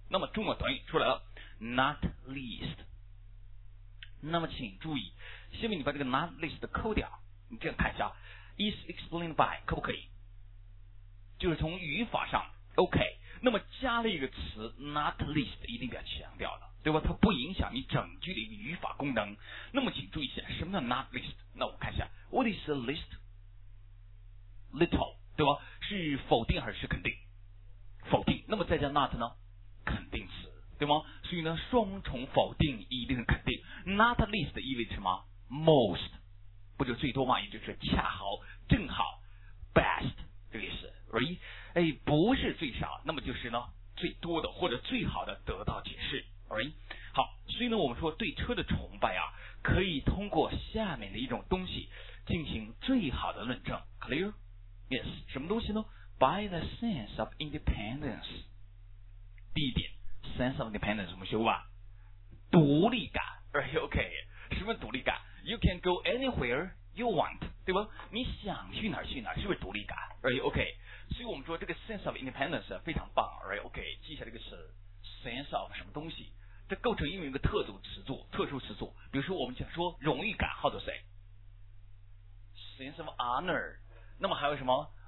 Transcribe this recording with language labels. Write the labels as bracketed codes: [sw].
[zh] 那么重要短语出来了 ，not least。那么请注意，下面你把这个 not least 扣掉，你这样看一下 ， [en] is explained by [zh] 可不可以？就是从语法上 ，OK。那么加了一个词 not least， 一定要强调了，对吧？它不影响你整句的语法功能。那么请注意一下，什么叫 not least？那我看一下 [en] ，what is a least？ [zh] little， 对吧？是否定还是肯定？否定，那么再加 not 呢？肯定词，对吗？所以呢，双重否定一定是肯定。 Not least 意味着什么 ？Most， 不就最多嘛？也就是恰好、正好 ，best 这个意思 ，right？哎，不是最少，那么就是呢，最多的或者最好的得到解释 ，right？好，所以呢，我们说对车的崇拜啊，可以通过下面的一种东西进行最好的论证 ，clear？ Yes， 什么东西呢？ [en] By the sense of independence， [zh] 第一点 [en] ，sense of independence [zh] 怎么修吧？独立感 ，right？ OK， 什么独立感 ？ [en] You can go anywhere you want， [zh] 对吧？你想去哪儿去哪儿，是不是独立感 ？right？ OK， 所以我们说这个 sense of independence 非常棒 ，right？ OK， 记下这个词 ，sense of 什么东西？这构成英文一个特殊词组，特殊词组。比如说我们讲说荣誉感 ， [en] how to say？ Sense of honor， [zh] 那么还有什么？